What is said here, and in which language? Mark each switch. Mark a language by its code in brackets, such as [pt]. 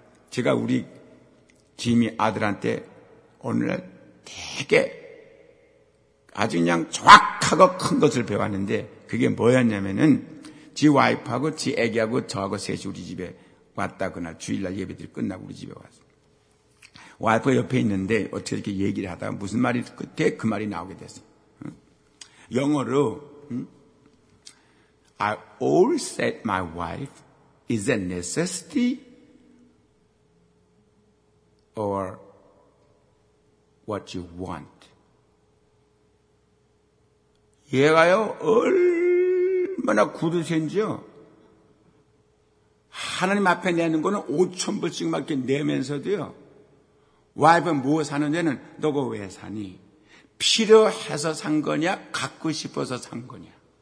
[ko] 제가 우리 짐이 아들한테 오늘날 되게 아주 그냥 정확하고 큰 것을 배웠는데 그게 뭐였냐면은 지 와이프하고 지 애기하고 저하고 셋이 우리 집에 왔다. 그날 주일날 예배들 끝나고 우리 집에 왔어. 와이프가 옆에 있는데 어떻게 이렇게 얘기를 하다가 무슨 말이 그때 그 말이 나오게 됐어. 영어로 [en] I always said my wife is a necessity or what you want. [ko] 얘가요, 얼마나 굳으신지요? 하나님 앞에 내는 거는 5,000불씩밖에 내면서도요, 와이프 무엇 사는데는 너가 왜 사니? 필요해서 산 거냐? 갖고 싶어서 산 거냐?